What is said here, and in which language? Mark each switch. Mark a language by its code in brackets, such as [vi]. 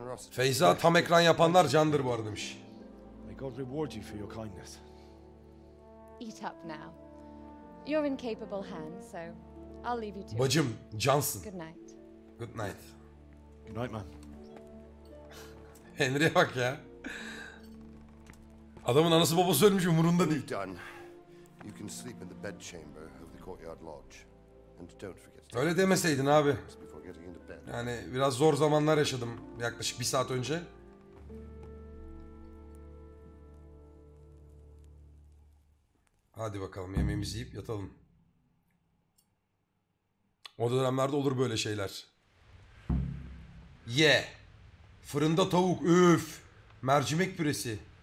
[tr] Feyza tam ekran yapanlar candır bu arada demiş. [en] May God reward you for your kindness. Eat up now. You're in capable hands, so I'll leave you to. [tr] Bacım, cansın. [en] Good night. Good night. Good night, man. [tr] Henry bak ya. Adamın anası babası ölmüş umurunda değil. [en] You can sleep in the bed chamber of the courtyard lodge, and don't forget. [tr] Öyle demeseydin abi. Yani biraz zor zamanlar yaşadım yaklaşık bir saat önce. Hadi bakalım yemeğimizi yiyip yatalım. O dönemlerde olur böyle şeyler. Ye. Fırında tavuk. Üf. Mercimek püresi.